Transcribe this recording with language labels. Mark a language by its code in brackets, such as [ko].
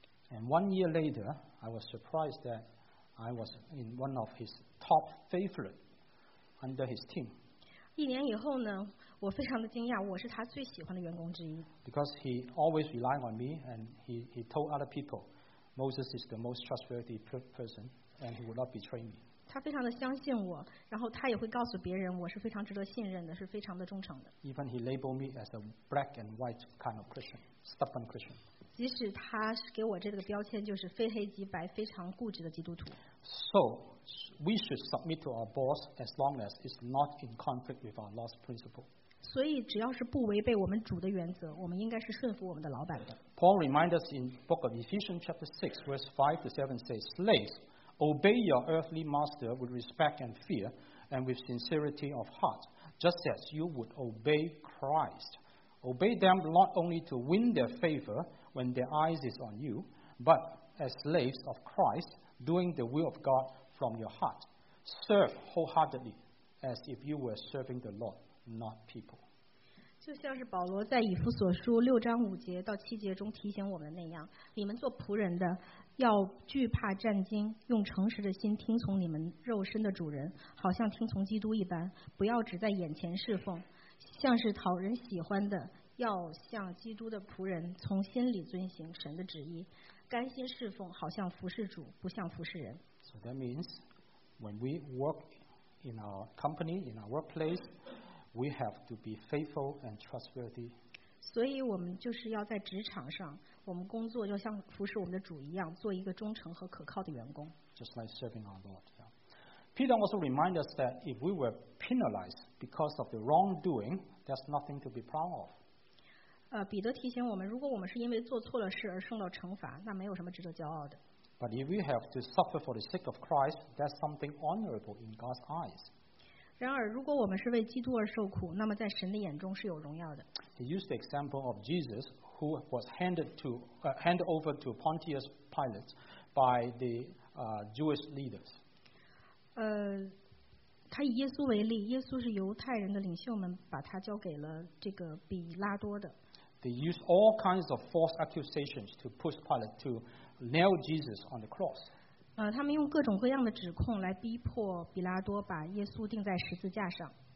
[en] And 1 year later, I was surprised that I was in one of his top favorite under his team. [zh] 一年以后呢，我非常的惊讶，我是他最喜欢的员工之一。 [en] Because he always relied on me, and he told other people, Moses is the most trustworthy person, and he would not betray me. [zh] 他非常的相信我，然后他也会告诉别人我是非常值得信任的，是非常的忠诚的。 [en] Even he labeled me as a black and white kind of Christian, stubborn Christian. [zh] 即使他给我这个标签就是非黑即白，非常固执的基督徒。 [en] So we should submit to our boss as long as it's not in conflict with our Lord's principle. [zh] 所以只要是不违背我们主的原则，我们应该是顺服我们的老板的。 [en] Paul reminds us in the book of Ephesians chapter 6 verse 5 to 7 says, Slaves, obey your earthly master with respect and fear and with sincerity of heart, just as you would obey Christ. Obey them not only to win their favor when their eyes is on you, but as slaves of Christ, doing the will of God from your heart. Serve wholeheartedly as if you were serving the Lord. Not people. [zh] 就像是保罗在以弗所书六章五节到七节中提醒我们那样，你们做仆人的要惧怕战惊，用诚实的心听从你们肉身的主人，好像听从基督一般，不要只在眼前侍奉，像是讨人喜欢的，要像基督的仆人，从心里遵行神的旨意，甘心侍奉，好像服侍主，不像服侍人。 [en] So that means when we work in our company, in our workplaceWe have to be faithful and trustworthy. [zh] 所以我们就是要在职场上，我们工作就像服侍我们的主一样，做一个忠诚和可靠的员工。 [en] Just like serving our Lord.、Yeah. Peter also reminds us that if we were penalized because of the wrongdoing, there's nothing to be proud of. [zh] 彼得提醒我们，如果我们是因为做错了事而受到惩罚，那没有什么值得骄傲的。 [en] But if we have to suffer for the sake of Christ, that's something honorable in God's eyes. [zh] 然而，如果我们是为基督而受苦，那么在神的眼中是有荣耀的。 [en] He used the example of Jesus, who was handed over to Pontius Pilate by the Jewish leaders. [zh] 他以耶稣为例，耶稣是犹太人的领袖们把他交给了这个比拉多的。 [en] They used all kinds of false accusations to push Pilate to nail Jesus on the cross. [zh] 他们用各种各样的指控来逼迫比拉多把耶稣钉在十字架上。